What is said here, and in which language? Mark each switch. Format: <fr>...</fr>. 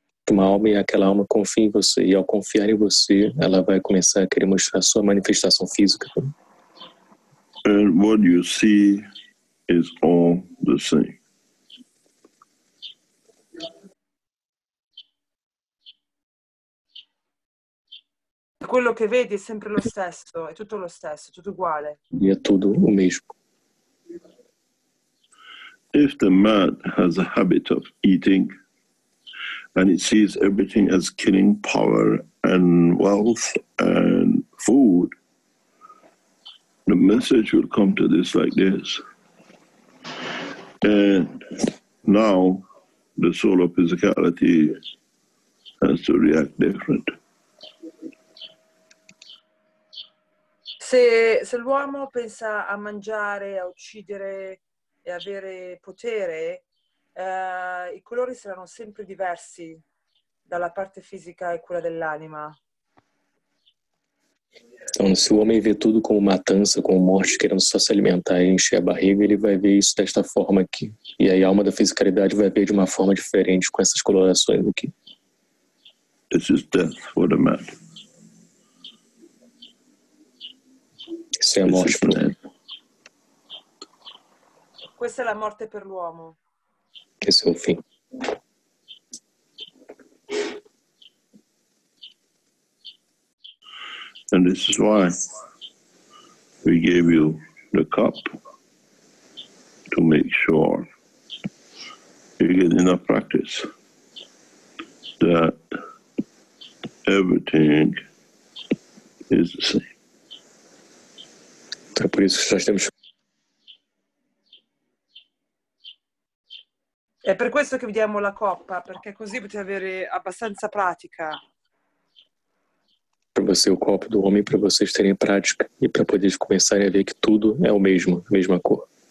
<pt>Uma alma, e aquela alma confia em você, e ao confiar em você, ela vai começar a querer mostrar a sua manifestação física.</pt> <en>And what you see is all the same.</en> <it>Quello che vedi è sempre lo stesso, è tutto lo stesso, tutto uguale. E è tutto lo stesso.</it> <en>If the man has a habit of eating and he sees everything as killing power and wealth and food, the message will come to this like this. And now the soul of physicality has to react different.</en> <it>Se l'uomo pensa a mangiare, a uccidere e avere potere, i colori saranno sempre diversi dalla parte fisica e quella dell'anima.</it> <pt>Então, se o homem vê tudo como matança, como morte, querendo só se alimentar e encher a barriga, ele vai ver isso desta forma aqui. E aí a alma da fisicalidade vai ver de uma forma diferente com essas colorações aqui.</pt> <en>This is death for the man.</en> <pt>Isso é a morte para o homem.</pt> <it>Questa è la morte per l'uomo.</it> <pt>Esse é o fim.</pt> <en>And this is why we gave you the cup to make sure you get enough practice that everything is the same.</en> <pt>É por isso que nós temos.</pt> <it>È per questo che vi diamo la coppa, perché così potete avere abbastanza pratica.</it> <pt>Para você o copo do homem, para vocês terem prática e para poderes começarem a ver que tudo é o mesmo, a mesma cor.</pt>